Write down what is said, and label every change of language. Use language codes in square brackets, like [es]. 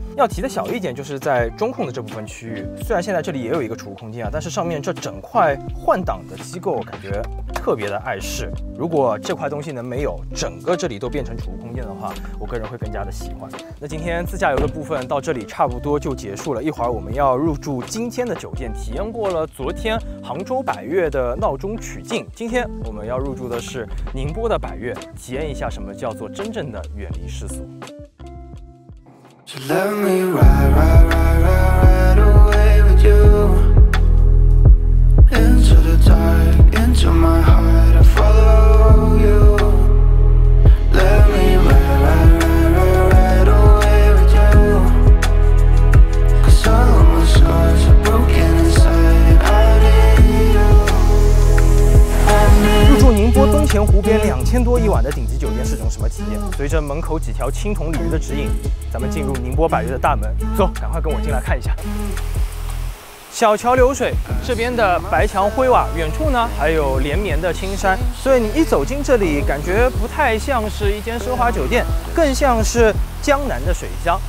[zh] 要提的小意见就是在中控的这部分区域，虽然现在这里也有一个储物空间啊，但是上面这整块换挡的机构感觉特别的碍事，如果这块东西能没有，整个这里都变成储物空间的话，我个人会更加的喜欢。那今天自驾游的部分到这里差不多就结束了，一会儿我们要入住今天的酒店，体验过了昨天杭州百悦的闹中取静，今天我们要入住的是宁波的百悦，体验一下什么叫做真正的远离世俗。 [en] So let me ride, ride, ride, ride, ride away with you into the dark, into my heart. I follow you. Let me ride, ride, ride, ride, ride away with you. 'Cause all of my scars are broken inside. I need you. [zh] 入住宁波东钱湖边2000多一晚的顶级酒店是种什么体验？随着门口几条青铜鲤鱼的指引，咱们进入宁波百悦的大门，走，赶快跟我进来看一下。小桥流水，这边的白墙灰瓦，远处呢还有连绵的青山，所以你一走进这里，感觉不太像是一间奢华酒店，更像是江南的水乡。